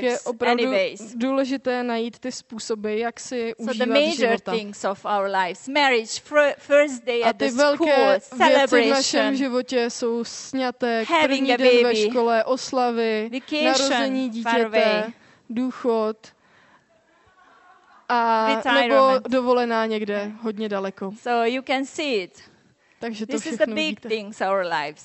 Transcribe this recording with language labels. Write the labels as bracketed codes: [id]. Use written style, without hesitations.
[cs] Tak je opravdu důležité najít ty způsoby, jak si užívat života. [en] So the major things of our lives, marriage, first day at the school, celebration. [cs] A ty velké věci v našem životě jsou sňatek, první den ve škole, oslavy, narození dítěte, důchod. A nebo dovolená někde hodně daleko. [en] So you can see it. [cs] Takže to [en] this is the big things our lives.